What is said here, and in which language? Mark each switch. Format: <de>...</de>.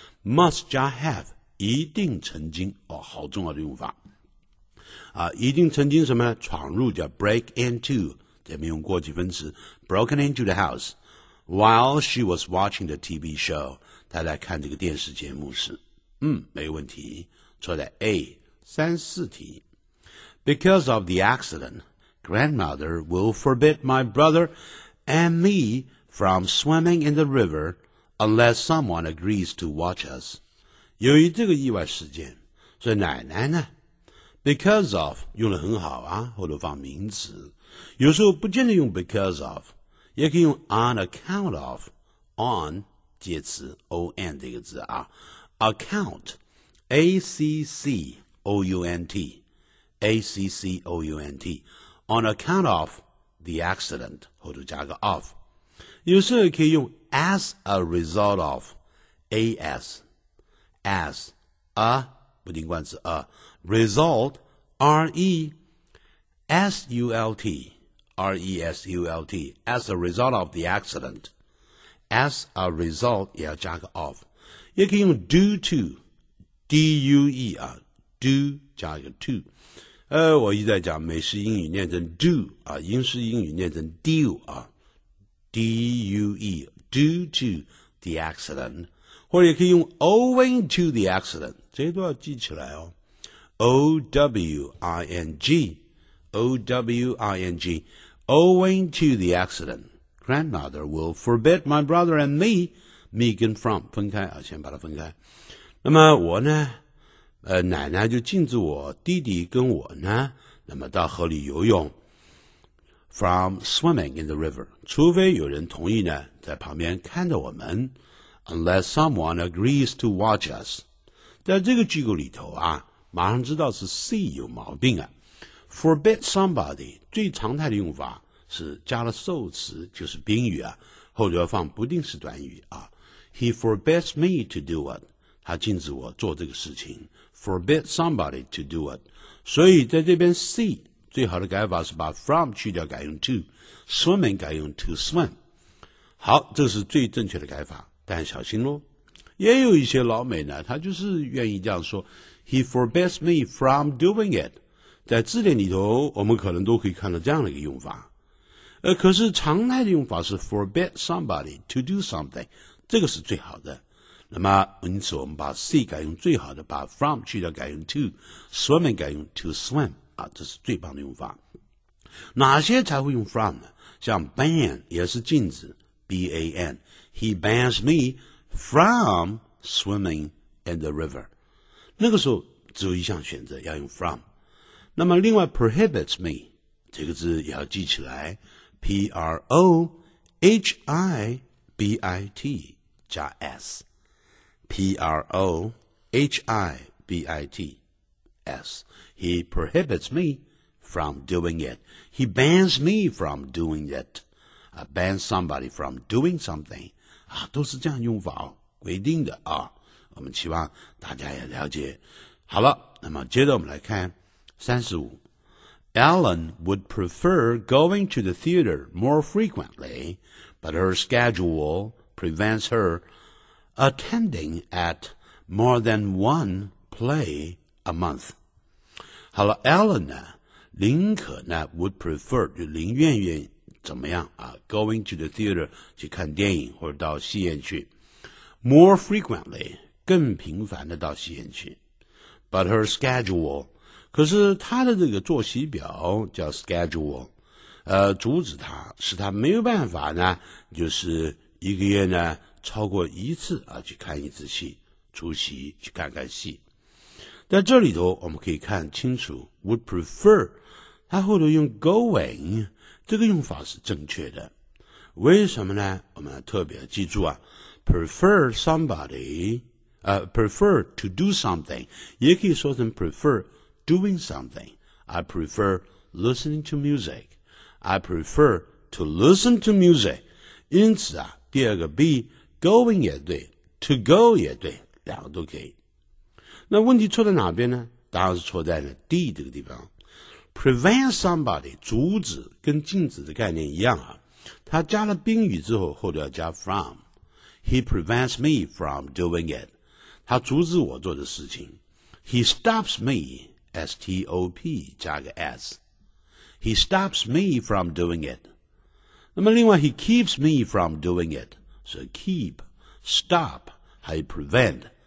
<zh>must 加 have， 一定曾经，哦，好重要的用法啊，一定曾经什么闯入叫 break into， 前面用过去分词</zh> <en>broken into the house while she was watching the TV show，</en> <zh>她在看这个电视节目时。嗯，没问题，错在 A 三四题。</zh> <en>Because of the accident, grandmother will forbid my brother and me from swimming in the river unless someone agrees to watch us.</en> <zh>由于这个意外事件，所以奶奶呢 ，because of 用得很好啊，后头放名词，有时候不见得用 because of， 也可以用 on account of， on 介词 o n 这个字啊 ，account a c c o u n t。</zh> <en>A-C-C-O-U-N-T On account of the accident 后头加个 of 有时候可以用 as a result of A-S As A 不定冠词 A Result R-E S-U-L-T R-E-S-U-L-T As a result of the accident As a result 也要加个 of 也可以用 due to D-U-E、啊、Do 加个 to</en> <zh>我一再讲美式英语念成 do 啊，英式英语念成 due 啊</zh> <en>，D-U-E due to the accident， 或者也可以用 owing to the accident，</en> <zh>这些都要记起来哦。</zh> <en>O-W-I-N-G O-W-I-N-G owing to the accident， grandmother will forbid my brother and me，</en> <zh>me 跟 from 分开啊，先把它分开。那么我呢？奶奶就禁止我弟弟跟我呢，那么到河里游泳。</zh> <en>From swimming in the river，</en> <zh>除非有人同意呢，在旁边看着我们。</zh> <en>Unless someone agrees to watch us，</en> <zh>在这个句构里头啊，马上知道是 see 有毛病啊。 Forbid somebody 最常态的用法是加了受词，就是宾语啊，后头要放不定式短语啊。</zh> <en>He forbids me to do it，</en> <zh>他禁止我做这个事情。</zh> <en>Forbid somebody to do it.</en> <zh>所以在这边 see 最好的改法是把 from 去掉改用 to， swimming 改用 to swim。好，这是最正确的改法，但小心咯，也有一些老美呢，他就是愿意这样说，</zh> <en>He forbids me from doing it。</en> <zh>在字典里头我们可能都可以看到这样的一个用法，可是常态的用法是</zh> <en>forbid somebody to do something，</en> <zh>这个是最好的。那么因此我们把 C 改用最好的，把 from 去掉改用 to， swimming 改用 to swim 啊，这是最棒的用法。哪些才会用 from 呢？像 ban 也是禁止， ban，</zh> <en>he bans me from swimming in the river，</en> <zh>那个时候只有一项选择要用 from。那么另外</zh> <en>prohibits me</en> <zh>这个字也要记起来，</zh> <en>prohibit 加 sP-R-O-H-I-B-I-T-S He prohibits me from doing it. He bans me from doing it. Ban somebody from doing something.</en> <zh>啊，都是这样用法哦，规定的啊。我们希望大家也了解。好了，那么接着我们来看35。</zh> <en>Ellen would prefer going to the theater more frequently, but her schedule prevents herattending at more than one play a month.</en> <zh>好了， Ellen 呢林可呢 would prefer 就林愿愿怎么样啊，</zh> <en>going to the theater</en> <zh>去看电影或者到戏院去，</zh> <en>more frequently</en> <zh>更频繁的到戏院去，</zh> <en>but her schedule</en> <zh>可是她的这个作息表叫 schedule 阻止她，使她没有办法呢，就是一个月呢超过一次啊，去看一次戏，出席去看看戏。在这里头我们可以看清楚 would prefer， 它后头用 going， 这个用法是正确的。为什么呢？我们特别记住啊， prefer somebody，</zh> <en>prefer to do something，</en> <zh>也可以说成</zh> <en>prefer doing something。 I prefer listening to music， I prefer to listen to music。</en> <zh>因此啊，第二个 B going 也对， to go 也对，两个都可以。那问题错在哪边呢？当然是错在了 D 这个地方。 prevent somebody 阻止跟禁止的概念一样啊，他加了宾语之后，后面要加 from。</zh> <en>He prevents me from doing it.</en> <zh>他阻止我做的事情。</zh> <en>He stops me, S-T-O-P, 加个 S. He stops me from doing it. 那么另外 he keeps me from doing it.</en> <zh>所以 keep, stop, 还有 prevent.</zh>